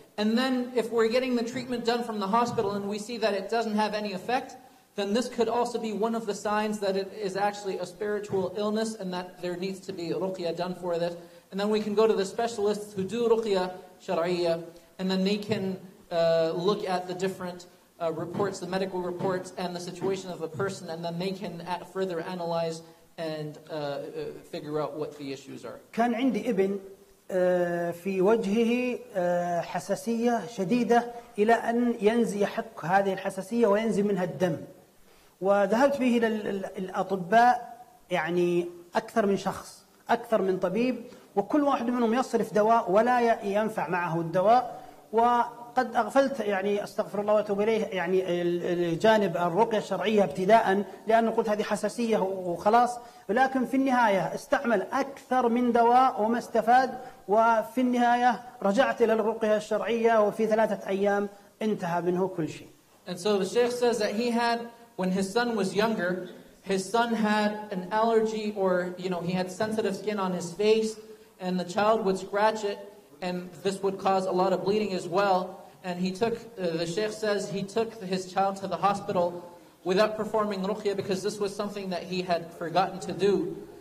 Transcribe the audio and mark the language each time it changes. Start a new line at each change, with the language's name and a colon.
English: And then if we're getting the treatment done from the hospital and we see that it doesn't have any effect, then this could also be one of the signs that it is actually a spiritual illness and that there needs to be ruqya done for this. And then we can go to the specialists who do ruqya shar'iyya, and then they can look at the different reports, the medical reports, and the situation of the person, and then they can further analyze and figure out what the issues are.
Arabic: كان عندي ابن في وجهه حساسية شديدة إلى أن ينزي يحك هذه الحساسية وينزي منها الدم. وذهبت به إلى الأطباء يعني أكثر من شخص، أكثر من طبيب، وكل واحد منهم يصرف دواء ولا ينفع معه الدواء. وقد أغفلت يعني أستغفر الله وأتوب إليه يعني الجانب الرقية الشرعية ابتداء، لأنه قلت هذه حساسية وخلاص، ولكن في النهاية استعمل أكثر من دواء وما استفاد، وفي النهاية رجعت إلى الرقية الشرعية، وفي 3 أيام انتهى منه كل شيء.
English: And so the Sheikh says that he had, when his son was younger, his son had an allergy, or you know, he had sensitive skin on his face, and the child would scratch it, and this would cause a lot of bleeding as well. And he took, the Sheikh says, he took his child to the hospital without performing ruqya, because this was something that he had forgotten to do.